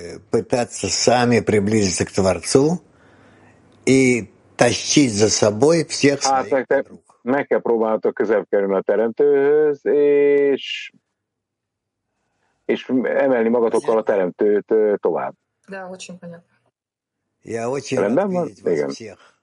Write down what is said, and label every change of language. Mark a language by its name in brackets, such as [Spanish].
[Russian] Пытаться сами приблизиться к Творцу и тащить за собой всех своих друг. [Hungarian] Meg kell próbálnatok közel kerülni a Teremtőhöz, és emelni magatokkal a Teremtőt tovább. [Russian] Я очень рад видеть вас всех.